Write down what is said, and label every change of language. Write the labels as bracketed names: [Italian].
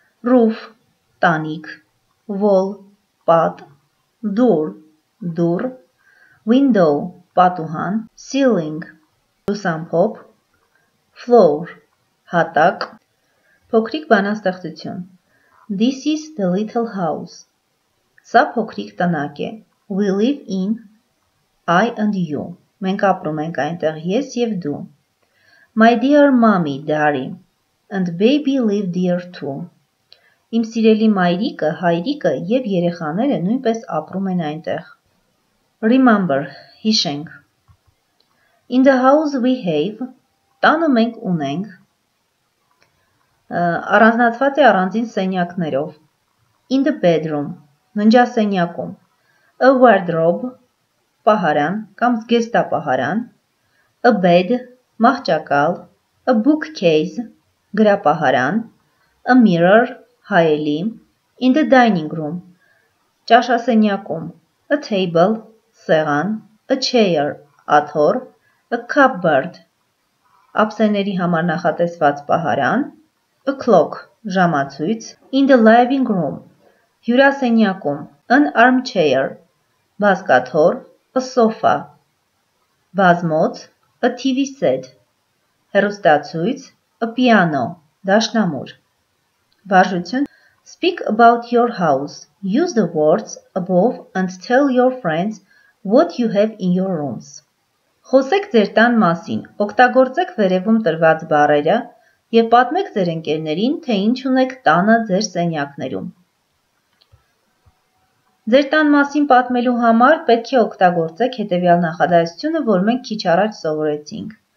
[Armenian] Roof, տանիք, wall, պատ, door, դուռ, window, պատուհան, ceiling, լուսամփոփ, floor, հատակ, փոքրիկ բանաստեղծություն. [English] This is the little house. [Armenian] Սա փոքրիկ տնակ է. [English] We live in, I and you. [Armenian] Մենք ապրում ենք այնտեղ ես և դու. [English] My dear mommy, daddy, and baby live there too. [Armenian] Իմ սիրելի մայրիկը, հայրիկը և երեխաները նույնպես ապրում են այնտեղ. [English] Remember, [Armenian] հիշենք. [English] In the house we have, [Armenian] տանը մենք ունենք. Առանձնացված է առանձին սենյակներով. [English] In the bedroom, ննջասենյակում. A wardrobe, [Armenian] պահարան կամ զգեստապահարան, [English] a bed, մահճակալ, a bookcase, գրապահարան, a mirror, հայելի, in the dining room, ճաշասենյակում, a table, սեղան, a chair, աթոռ, a cupboard, [Armenian] ափսեների համար նախատեսված պահարան, [English] a clock, ժամացույց, in the living room, հյուրասենյակում, an armchair, բազկաթոռ, a sofa, բազմոց, a TV set, հեռուստացույց, a piano, դաշնամուր։ Բարժություն, speak about your house, use the words above and tell your friends what you have in your rooms. [Armenian] Խոսեք ձեր տան մասին, օգտագործեք վերևում տրված բառերը և պատմեք ձեր ընկերներին, թե ինչ ունեք տանը ձեր սենյակներում։ Ձեր տան մասին պատմելու համար պետք է օգտագործեք հետևյալ նախադասությունը, որ մենք քիչ առաջ սովորեցինք.